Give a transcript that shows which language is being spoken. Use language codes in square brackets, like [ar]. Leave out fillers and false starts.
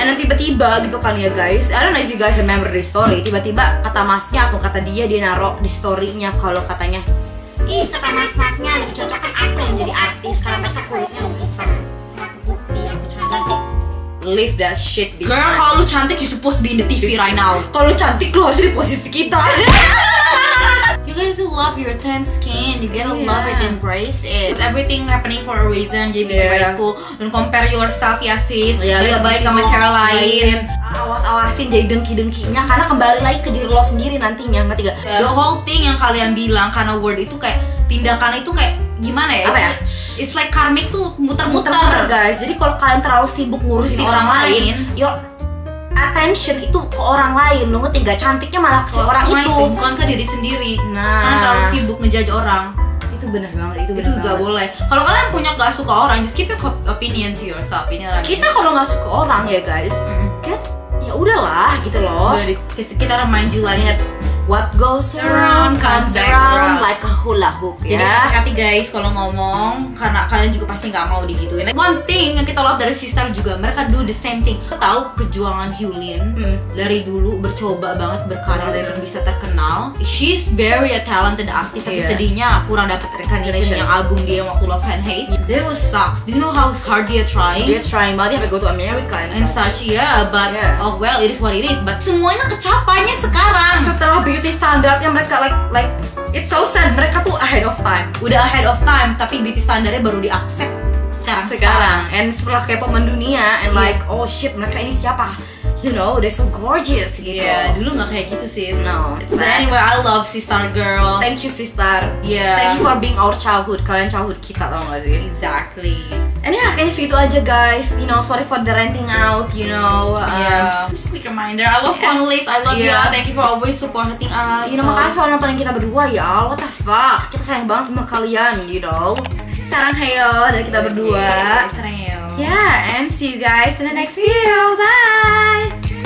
[en] And then [id] tiba-tiba gitu kan ya [en] guys. I don't know if you guys remember this story. [id] Tiba-tiba kata masnya atau kata dia naro di story-nya kalau katanya ih, kata mas-masnya lebih cocok kan aku yang jadi artis karena mereka kulitnya [en] lift that shit bitch. Girl, [id] kalau lu cantik [en] you supposed be in the TV this right now. [id] Kalau lu cantik lu harus di posisi kita. [en] You guys love your tan skin. You gotta yeah. Love it, embrace it. It's everything happening for a reason. Jadi yeah. Grateful. Don't compare yourself ya sis. Yeah, [id] lebih baik sama cara lain. Awas-awasin jadi dengki-dengkinya karena kembali lagi ke diri lo sendiri nantinya. Ngerti gak? Yeah. [en] The whole thing [id] yang kalian bilang karena word itu kayak tindakan itu kayak gimana ya? Apa ya? [en] It's like karmic [id] tuh muter-muter guys. Jadi kalau kalian terlalu sibuk ngurusin orang lain, [en] your attention [id] itu ke orang lain. Lu ngerti gak? Cantiknya malah ke si orang itu, bukan ke diri sendiri. Nah, terlalu sibuk ngejudge orang. Itu benar banget. Itu benar. Itu enggak boleh. Kalau kalian punya enggak suka orang, [en] just keep your opinion to yourself. [id] Ini orang. Kita kalau enggak suka orang ya guys, get ya udahlah gitu loh. Kita remind you lagi. [en] What goes around comes around like a hula hoop. [id] Jadi hati-hati guys kalau ngomong karena kalian juga pasti enggak mau digituin. One thing yang kita love dari sister juga mereka [en] do the same thing. [id] Kita tahu perjuangan Hyulin dari dulu bercoba banget berkarir dan bisa terkenal. [en] She's very a talented artist. [id] Tapi sedihnya kurang dapat recognition yang album dia waktu [en] Love and Hate. That was sucks. Do you know how hard they are trying? They're trying but they have to go to America and such. Yeah, but oh well, it is what it is. [id] But semuanya kecapainya sekarang. [en] Beauty [id] standarnya mereka [en] like it's so sad. [id] Mereka tuh [en] ahead of time. [id] Udah ahead of time, tapi beauty standarnya baru di accept sekarang. And setelah K-pop mendunia [en] and like oh shit, [id] mereka ini siapa? [en] you know, they're so gorgeous gitu. [id] Yeah, dulu gak kayak gitu sis. [en] No. But anyway, I love Sistar girl. Thank you Sistar. Yeah. Thank you for being our childhood. [id] Kalian childhood kita tau gak sih? [en] Exactly. [id] And yeah, kayaknya segitu aja guys. [en] You know, sorry for the ranting out, you know. Yeah. Just a quick reminder, I love Conlis, I love you. Thank you for always supporting us. [id] You know, makasih orang nontonin kita berdua ya. [en] What the fuck? [id] Kita sayang banget sama kalian, you know. [ko] Sarang heyo dari kita berdua. Sarang heyo. [en] Yeah, and see you guys in the next video. Bye!